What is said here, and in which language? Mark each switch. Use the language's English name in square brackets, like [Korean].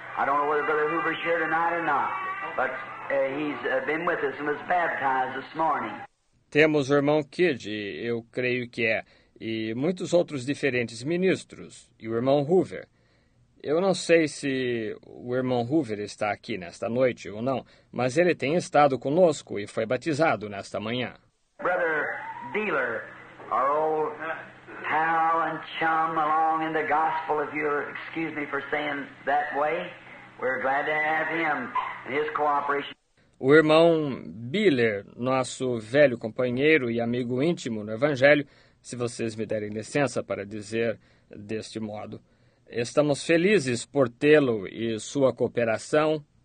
[English] I don't know whether Brother Hoover's here tonight or not, but he's been with us and was baptized this morning. [Portuguese] Temos o irmão Kidd, eu creio que é, e muitos outros diferentes ministros, e o irmão Hoover. Eu não sei se o irmão Hoover está aqui nesta noite ou não, mas ele tem estado conosco e foi batizado nesta manhã. [English] Brother Dealer, our old pal and chum along in the gospel, if you'll excuse me for saying that way, we're glad to have him and his cooperation. [Portuguese] O irmão Biller, nosso velho companheiro e amigo íntimo no Evangelho, se vocês me derem licença para dizer deste modo, estamos felizes por tê-lo e sua cooperação.